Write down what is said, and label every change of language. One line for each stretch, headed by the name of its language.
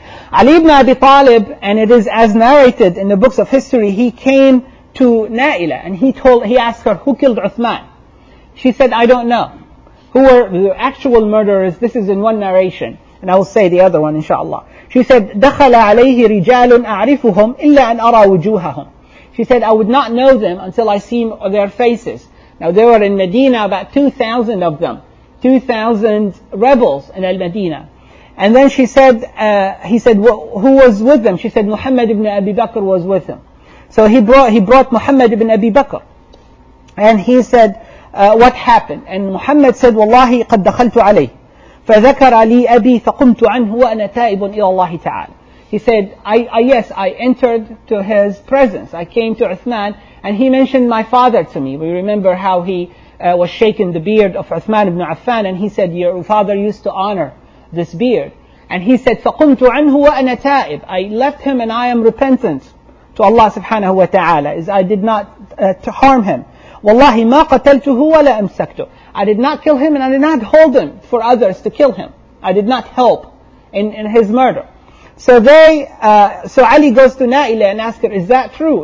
English: Ali ibn Abi Talib, and it is as narrated in the books of history, he came to Naila, and he asked her, who killed Uthman? She said, I don't know. Who were the actual murderers? This is in one narration, and I will say the other one, inshallah. She said,
Arabic: دَخَلَ عَلَيْهِ رِجَالٌ أَعْرِفُهُمْ إِلَّا أَنْ أَرَى وُجُوهَهُمْ.
English: She said, I would not know them until I see their faces. Now, they were in Medina, about 2,000 of them. 2,000 rebels in Al-Medina. And then she said, who was with them? She said, Muhammad ibn Abi Bakr was with them. So he brought Muhammad ibn Abi Bakr. And he said, what happened? And Muhammad said, Wallahi,
Arabic: قَدْ دَخَلْتُ عَلَيْهِ فَذَكَرَ لِي أَبِي فَقُمْتُ عَنْهُ وَأَنَا تَائِبٌ إِلَى اللَّهِ تَعَالَى.
English: He said, I entered to his presence. I came to Uthman, and he mentioned my father to me. We remember how he was shaking the beard of Uthman ibn Affan, and he said, your father used to honor this beard. And he said,
Arabic: فَقُمْتُ عَنْهُ وَأَنَا تَائِبٌ.
English: I left him and I am repentant to Allah subhanahu wa ta'ala, is I did not to harm him.
Arabic: Wallahi ma qataltuhu wa la amsaktu.
English: I did not kill him and I did not hold him for others to kill him. I did not help in his murder. So so Ali goes to Naila and asks her, is that true?